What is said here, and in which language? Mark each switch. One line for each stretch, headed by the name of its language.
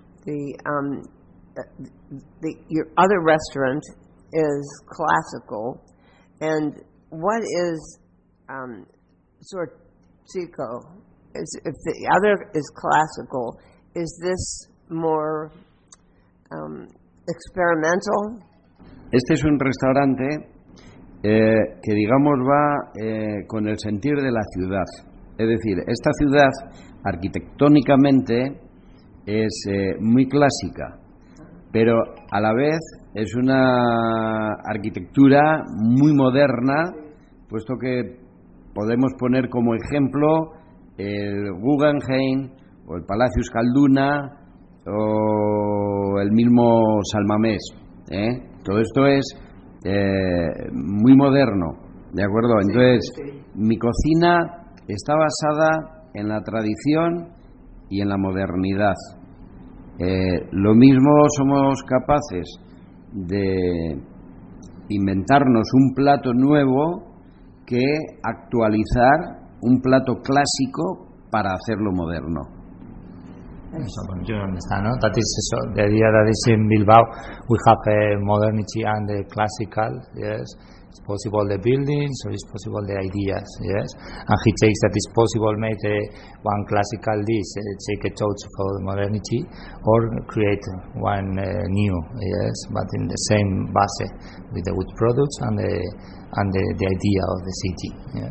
English: Your other restaurant is classical, and what is Sortico? If the other is classical, is this more experimental?
Spanish: Este es un restaurante que digamos va con el sentir de la ciudad. Es decir, esta ciudad arquitectónicamente es muy clásica, pero a la vez es una arquitectura muy moderna, puesto que podemos poner como ejemplo el Guggenheim o el Palacio Euskalduna o el mismo San Mamés, ¿eh? Todo esto es muy moderno, ¿de acuerdo? Entonces, sí, sí. Mi cocina está basada en la tradición y en la modernidad. Lo mismo somos capaces de inventarnos un plato nuevo que actualizar un plato clásico para hacerlo moderno.
English: So,
Spanish: bueno, yo no entiendo, ¿no?
English: That is so, the idea that is in Bilbao, we have modernity and the classical, yes. It's possible the buildings, or it's possible the ideas, yes. And he takes that it's possible make one classical dish, take a touch for the modernity, or create one new, yes, but in the same base, with the good products and the idea of the city, yeah.